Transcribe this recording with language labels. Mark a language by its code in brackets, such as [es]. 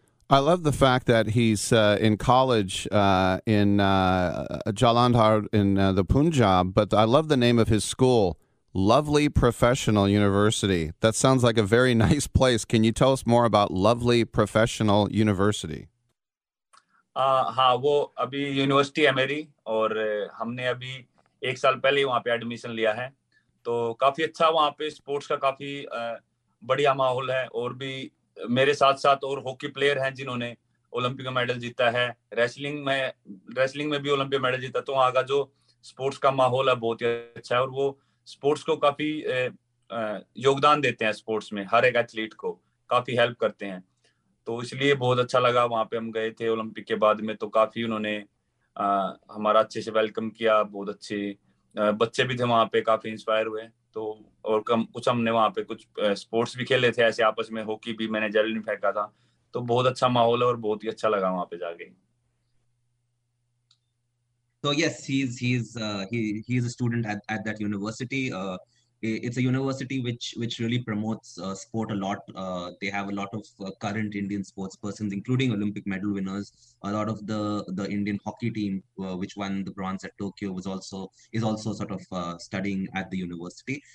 [en] I love the fact that he's in college in Jalandhar in the Punjab, but I love the name of his school, Lovely Professional University. That sounds like a very nice place. Can you tell us more about Lovely Professional University? [hi] हाँ वो अभी university है मेरी और हमने अभी एक साल पहले वहाँ पे एडमिशन लिया है तो काफी अच्छा वहाँ पे स्पोर्ट्स का काफी बढ़िया माहौल है और भी मेरे साथ साथ और हॉकी प्लेयर हैं जिन्होंने ओलंपिक का मेडल जीता है रेसलिंग में भी ओलंपिक मेडल जीता तो वहाँ का जो स्पोर्ट्स का माहौल है बहुत ही अच्छा है और वो स्पोर्ट्स को काफी योगदान देते हैं स्पोर्ट्स में हर एक एथलीट को काफी हेल्प करते हैं तो इसलिए बहुत अच्छा लगा वहाँ पे हम गए थे ओलंपिक के बाद में तो काफी उन्होंने हमारा अच्छे से वेलकम किया बहुत अच्छे बच्चे भी थे वहाँ पे काफी इंस्पायर हुए तो और कुछ हमने वहाँ पे कुछ स्पोर्ट्स भी खेले थे ऐसे आपस में हॉकी भी मैंने जेवलिन फेंका था तो बहुत अच्छा माहौल है और बहुत ही अच्छा लगा वहाँ पे जाके [en] So yes, he's a student at that university. It's a university which really promotes sport a lot. They have a lot of current Indian sports persons, including Olympic medal winners. A lot of the Indian hockey team, which won the bronze at Tokyo, is also sort of studying at the university.